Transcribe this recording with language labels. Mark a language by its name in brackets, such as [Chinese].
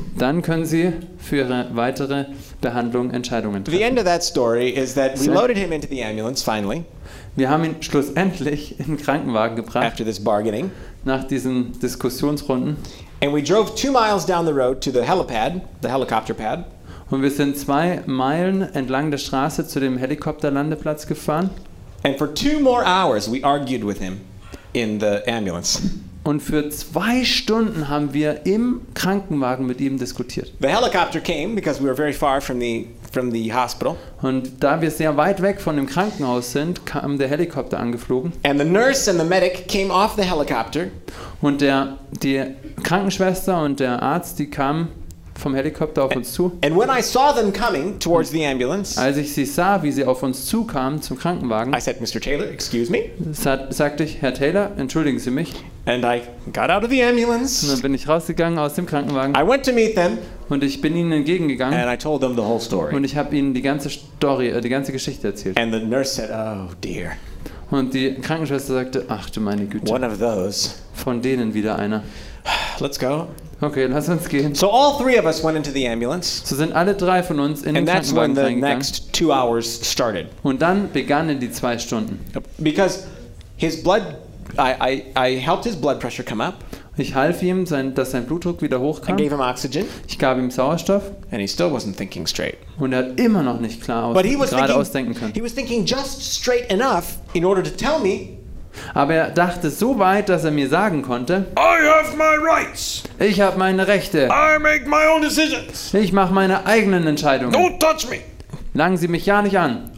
[German] Dann können Sie für Ihre weitere Behandlung Entscheidungen treffen. [English] The end of that story is that we loaded him into the ambulance finally. [German] Wir haben ihn schlussendlich in den Krankenwagen gebracht. [English] After this bargaining. [German] Nach diesen Diskussionsrunden. [English] And we drove 2 miles down the road to the helipad, the helicopter pad. [German] Und wir sind 2 Meilen entlang der Straße zu dem Helikopterlandeplatz gefahren. [English] And for 2 more hours we argued with him in the ambulance. [German] Und für 2 Stunden haben wir im Krankenwagen mit ihm diskutiert. [English] The helicopter came because we were very far from the hospital. [German] Und da wir sehr weit weg von dem Krankenhaus sind, kam der Helikopter angeflogen. [English] And the nurse and the medic came off the helicopter. [German] Und die Krankenschwester und der Arzt, die kamen vom Helikopter auf uns zu. [English] And when I saw them coming towards the ambulance, [German] als ich sie sah, wie sie auf uns zukamen zum Krankenwagen, [English] I said, Mr. Taylor, excuse me. [German] Sagte ich, Herr Taylor, entschuldigen Sie mich. [English] And I got out of the ambulance. [German] Und dann bin ich rausgegangen aus dem Krankenwagen. [English] I went to meet them. [German] Und ich bin ihnen entgegengegangen. [English] And I told them the whole story. [German] Und ich habe ihnen die ganze Geschichte erzählt. [English] And the nurse said, oh dear. [German] Und die Krankenschwester sagte, ach du meine Güte. [English] One of those. [German] Von denen wieder einer. [English] Let's go. [German] Okay, lass uns gehen. [English] So all three of us went into the ambulance. [German] So sind alle drei von uns in den Krankenwagen reingegangen. [English] And that's when the next 2 hours started. [German] Und dann begannen die 2 Stunden. [English] Because his blood, I helped his blood pressure come up. [German] Ich half ihm, dass sein Blutdruck wieder hochkam. [English] I gave him oxygen. [German] Ich gab ihm Sauerstoff. [English] And he still wasn't thinking straight. [German] Und er hat immer noch nicht klar ausdenken können. [English] He was thinking just straight enough in order to tell me. [German] Aber er dachte so weit, dass er mir sagen konnte, [English] I have my rights. [German] Ich habe meine Rechte. [English] I make my own decisions. [German] Ich mache meine eigenen Entscheidungen. [English] Don't touch me. [German] Langen Sie mich ja nicht an.